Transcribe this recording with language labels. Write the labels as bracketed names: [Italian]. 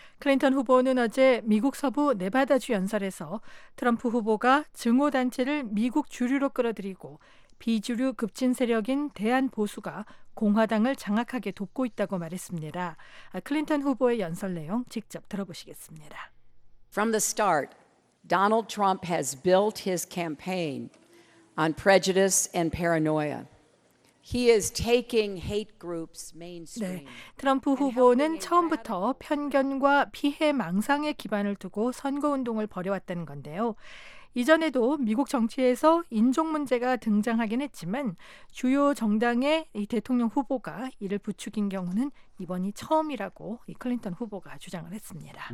[Korean] 클린턴 후보는 어제 미국 서부 네바다주 연설에서 트럼프 후보가 증오단체를 미국 주류로 끌어들이고 비주류 급진 세력인 대한보수가 공화당을 장악하게 돕고 있다고 말했습니다. 클린턴 후보의 연설 내용 직접 들어보시겠습니다. [English] From the start, Donald Trump has built his campaign on prejudice and paranoia. He is taking hate groups mainstream. [Korean] 네, 트럼프 후보는 처음부터 편견과 피해 망상에 기반을 두고 선거 운동을 벌여왔다는 건데요. 이전에도 미국 정치에서 인종 문제가 등장하긴 했지만 주요 정당의 이 대통령 후보가 이를 부추긴 경우는 이번이 처음이라고 이 클린턴 후보가 주장을 했습니다.